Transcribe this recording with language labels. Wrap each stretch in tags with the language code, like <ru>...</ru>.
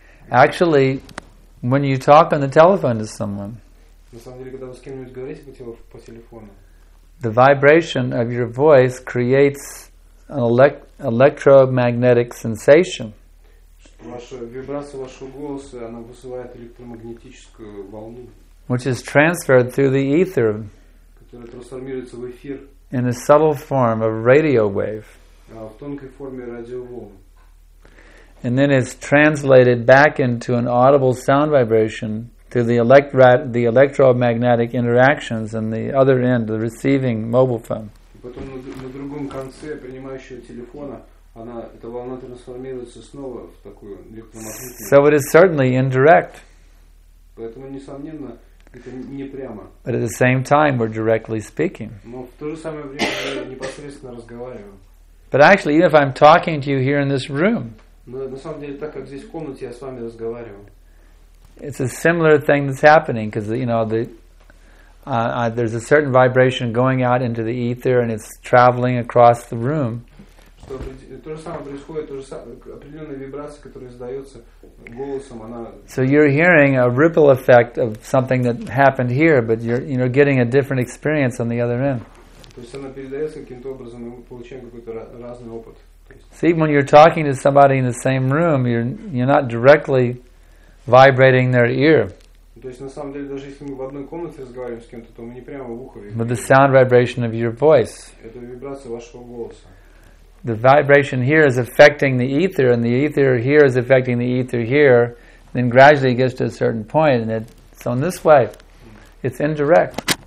<en>Actually, when you talk on the telephone to someone, the vibration of your voice creates an electromagnetic sensation.</en> <ru>Вибрация вашего голоса, она вызывает электромагнетическую волну,</ru> <en>which is transferred through the ether,</en> <ru>которая трансформируется в эфир,</ru> <en>in a subtle form of radio wave,</en> <ru>в тонкой форме радиоволн,</ru> <en>and then is translated back into an audible sound vibration through the electromagnetic interactions on the other end, the receiving mobile phone.</en> <ru>И потом на другом конце принимающего телефона эта волна трансформируется снова в такую электромагнитную.</ru> <en>So it is certainly indirect.</en> <ru>Поэтому, несомненно, это не прямо.</ru> <en>But at the same time, we're directly speaking.</en> <ru>Но в то же самое время мы непосредственно разговариваем.</ru> <en>But actually, even if I'm talking to you here in this room,</en> <ru>но на самом деле, так как здесь в комнате я с вами разговариваю,</ru> <en>it's a similar thing that's happening, because, you know, there's a certain vibration going out into the ether and it's traveling across the room.</en> <ru>То же самое происходит, определенная вибрация, которая издается голосом, она.</ru> <en>So you're hearing a ripple effect of something that happened here, but you're getting a different experience on the other end.</en> <ru>То есть она передается каким-то образом, мы получаем какой-то разный опыт.</ru> <en>See, when you're talking to somebody in the same room, you're not directly vibrating their ear.</en> <ru>То есть на самом деле, даже если мы в одной комнате разговариваем с кем-то, то мы не прямо в ухо.</ru> <en>But the sound vibration of your voice.</en> <ru>Это вибрация вашего голоса.</ru> <en>The vibration here is affecting the ether, and the ether here is affecting the ether here, then gradually it gets to a certain point, and it's on this way. It's indirect.</en>